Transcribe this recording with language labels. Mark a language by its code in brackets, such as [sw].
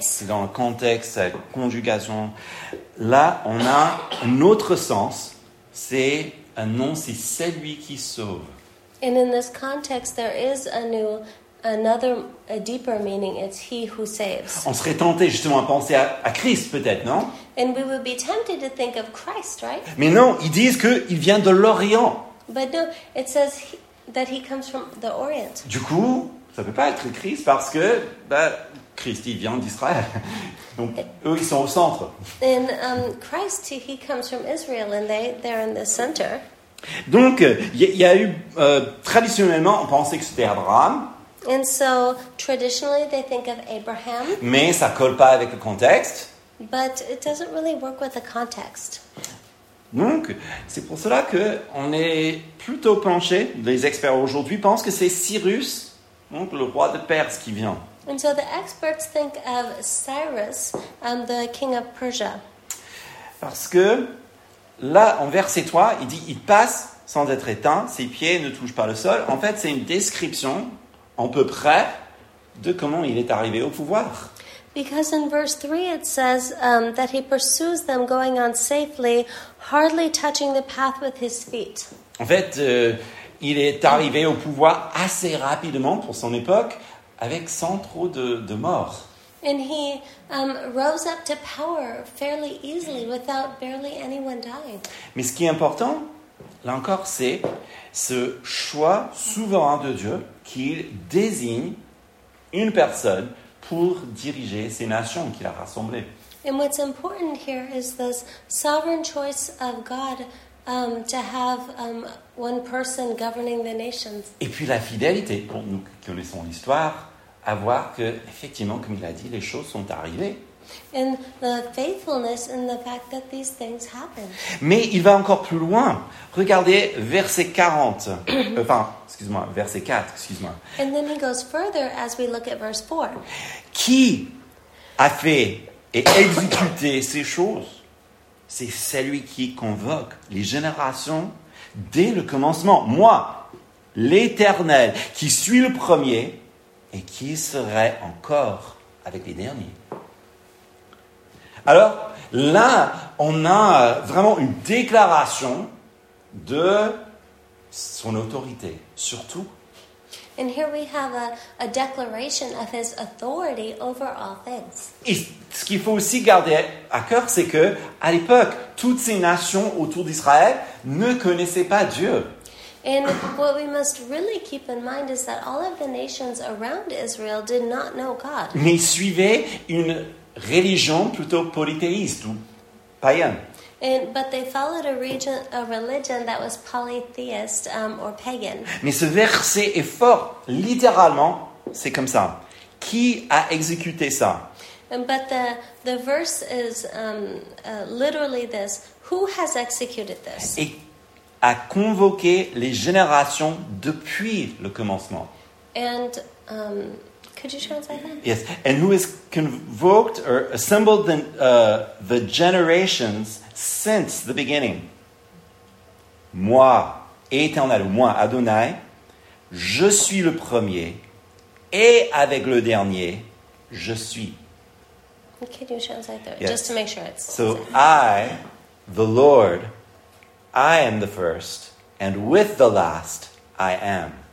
[fr] C'est dans le contexte, la conjugation. Là, on a un autre sens. C'est un nom, c'est celui qui sauve. [en] And in this context, there is a deeper meaning. It's he who saves. [fr] On serait tenté justement à penser à Christ, peut-être, non? [en] And we would be tempted to think of Christ, right? [fr] Mais non, ils disent qu'il vient de l'Orient. [en] But no, it says that he comes from the Orient. [fr] Du coup, ça ne peut pas être Christ parce que Christ, il vient d'Israël. Donc, eux, ils sont au centre. [en] And Christ, he comes from Israel and they're in the center. [fr] Donc, il y a eu, traditionnellement, on pensait que c'était Abraham. [en] And so, traditionally, they think of Abraham. [fr] Mais ça ne colle pas avec le contexte. [en] But it doesn't really work with the context. [fr] Donc, c'est pour cela qu'on est plutôt penché, les experts aujourd'hui pensent que c'est Cyrus, donc le roi de Perse, qui vient. [en] And so the experts think of Cyrus, the king of Persia. [fr] Parce que là, en verset 3, il dit « Il passe sans être éteint, ses pieds ne touchent pas le sol. » En fait, c'est une description, à peu près, de comment il est arrivé au pouvoir. [en] Because in verse 3, it says that he pursues them going on safely, hardly touching the path with his feet. [fr] En fait, il est arrivé au pouvoir assez rapidement pour son époque, avec sans trop de morts. [en] And he rose up to power fairly easily without barely anyone dying. [fr] Mais ce qui est important, là encore, c'est ce choix souverain de Dieu qu'il désigne une personne pour diriger ces nations qu'il a rassemblées. [en] And what's important here is this sovereign choice of God to have one person governing the nations. [fr] Et puis la fidélité, pour nous qui connaissons l'histoire, à voir que, effectivement, comme il a dit, les choses sont arrivées. [en] And the faithfulness in the fact that these things happen. [fr] Mais il va encore plus loin. Regardez verset 40. verset 4, excuse-moi. [en] And then he goes further as we look at verse 4. [fr] Qui a fait et exécuté ces choses? C'est celui qui convoque les générations dès le commencement. Moi, l'Éternel, qui suis le premier et qui serait encore avec les derniers. Alors, là, on a vraiment une déclaration de son autorité, surtout. [en] And here we have a declaration of his authority over all things. [fr] Et ce qu'il faut aussi garder à cœur, c'est que à l'époque, toutes ces nations autour d'Israël ne connaissaient pas Dieu. [en] And what we must really keep in mind is that all of the nations around Israel did not know God. [fr] Mais ils suivaient une religion plutôt polythéiste ou païenne. [en] But they followed a religion that was polytheist or pagan. [fr] Mais ce verset est fort. Littéralement, c'est comme ça. Qui a exécuté ça? [en] But the verse is literally this. Who has executed this? [fr] Et a convoqué les générations depuis le commencement. [en] And could you translate that? Yes. And who has convoked or assembled the generations since the beginning? [fr] Moi, Éternel, moi, Adonai, je suis le premier et avec le dernier, je suis. [en] Could you translate that? Yes. Just to make sure it's... So I, the Lord, I am the first, and with the last, I am.